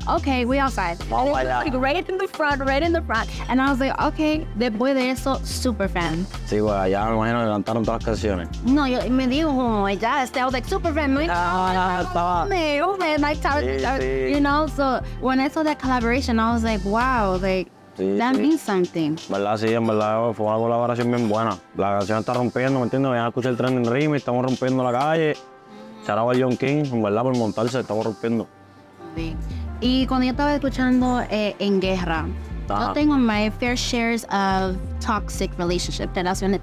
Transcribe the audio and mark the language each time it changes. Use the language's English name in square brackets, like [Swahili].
[English] Okay, we outside. Oh, like right in the front, right in the front. And I was like, okay, [Spanish] después de eso, [English] super fan. [Spanish] Sí, pues allá me imagino que cantaron todas las canciones. No, yo me dijo, ya, [English] I was like, super fan. [Spanish] No, estaba. Hombre, Mike Towers. Sí, sí. [English] You know, so when I saw that collaboration, I was like, wow, like, [Spanish] sí, [English] that [Spanish] sí. [English] means something. [Spanish] Verdad, sí, en verdad, fue una colaboración bien buena. La canción está rompiendo, ¿me entiendes? Ya escuché el trending rhythm y estamos rompiendo la calle. Charaba John King, en verdad, por montarse, estaba rompiendo. Sí. Y cuando yo estaba escuchando En Guerra, ajá. [English] Yo tengo my fair shares of toxic relationships, relaciones